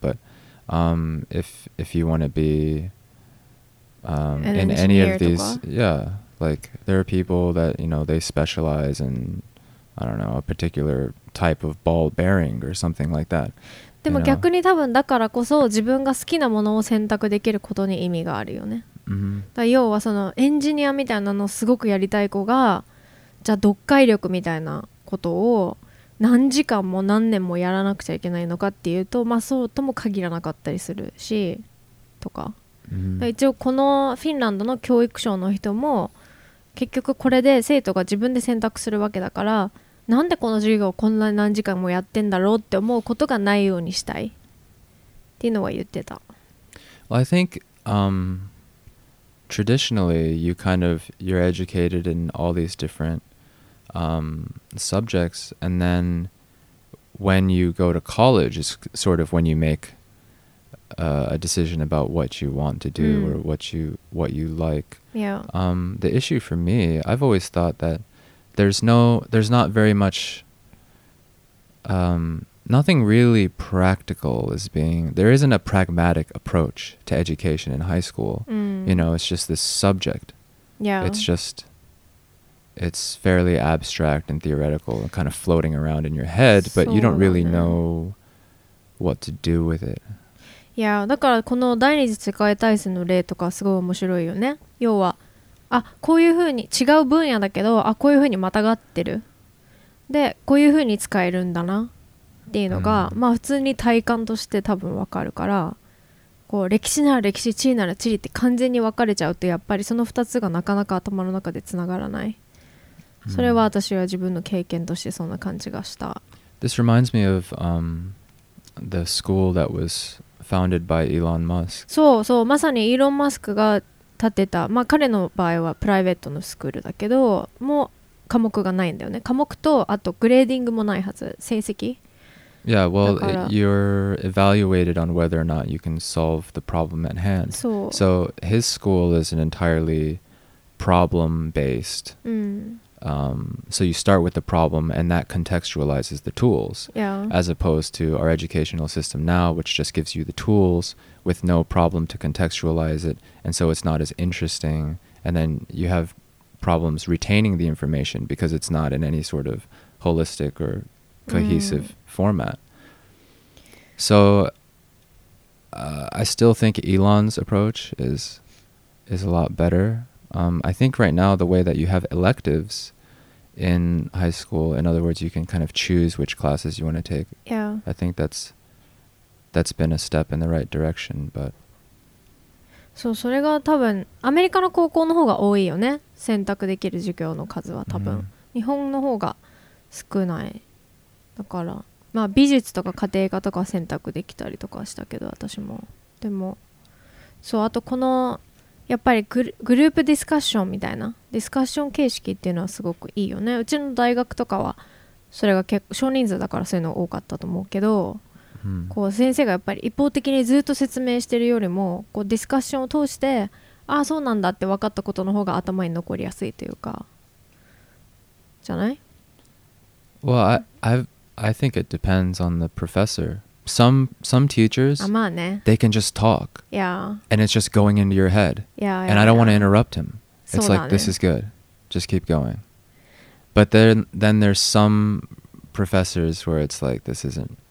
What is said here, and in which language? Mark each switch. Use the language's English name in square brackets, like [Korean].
[English] But if you want to be in any of these, yeah, like there are people that, you know, they specialize in, I don't know, a particular type of ball bearing or something like that. [Japanese] でも逆に多分だからこそ自分が好きなものを選択できることに意味があるよね、 mm-hmm. だ要はそのエンジニアみたいなのすごくやりたい子が、じゃあ読解力みたいなことを何時間も何年もやらなくちゃいけないのかっていうと、まあそうとも限らなかったりするしとか、うん、一応このフィンランドの教育省の人も結局これで生徒が自分で選択するわけだから、なんでこの授業をこんなに何時間もやってんだろうって思うことがないようにしたいっていうのは言ってた。 [English] Well, I think、traditionally you kind of you're educated in all these differentsubjects, and then when you go to college is sort of when you make、a decision about what you want to do、mm. or what you like. Yeah. The issue for me, I've always thought that there's not very much, nothing really practical is being, there isn't a pragmatic approach to education in high school.、 Mm. You know, it's just this subject. Yeah. It's justit's fairly abstract and theoretical and kind of floating around in your head, but you don't really know what to do with it. [Japanese] Yeah, だからこの第二次世界大戦の例とかすごい面白いよね。要は、あ、こういうふうに違う分野だけど、あ、こういうふうにまたがってる。で、こういうふうに使えるんだなっていうのが、mm. まあ普通に体感として多分わかるから、こう歴史なら歴史、地理なら地理って完全に分かれちゃうと、やっぱりその二つがなかなか頭の中でつながらない。それは私は自分の経験としてそんな感じがした。 [English] This reminds me of、the school that was founded by Elon Musk. [Japanese] そうそう、まさにイーロン・マスクが建てた、まあ彼の場合はプライベートのスクールだけど、もう科目がないんだよね。科目とあとグレーディングもないはず、成績。 [English] Yeah, well, you're evaluated on whether or not you can solve the problem at hand. [Japanese] そう。 [English] So his school is an entirely problem-based. [Japanese] うん。 [English] So you start with the problem and that contextualizes the tools、 yeah. as opposed to our educational system now, which just gives you the tools with no problem to contextualize it. And so it's not as interesting. And then you have problems retaining the information because it's not in any sort of holistic or cohesive、mm. format. So、I still think Elon's approach is a lot better. I think right now the way that you have electives in high school, in other words, you can kind of choose which classes you want to take. Yeah. I think that's been a step in the right direction, but... [Japanese] そう、それが多分アメリカの高校の方が多いよね。選択できる授業の数は多分、mm-hmm. 日本の方が少ない。だから、まあ美術とか家庭科とか選択できたりとかしたけど、私も。でも、そう、あとこの、やっぱりグループディスカッションみたいなディスカッション形式っていうのはすごくいいよね。うちの大学とかはそれが結構少人数だからそういうの多かったと思うけど、うん、こう先生がやっぱり一方的にずっと説明してるよりもこうディスカッションを通して、ああそうなんだって分かったことの方が頭に残りやすいというかじゃない。 [English] Well, I think it depends on the professorSome teachers, they can just talk. Yeah. And it's just going into your head. Yeah. And I don't want to interrupt him. It's like, this is good. Just keep going. But then there's some professors where it's like, this isn't.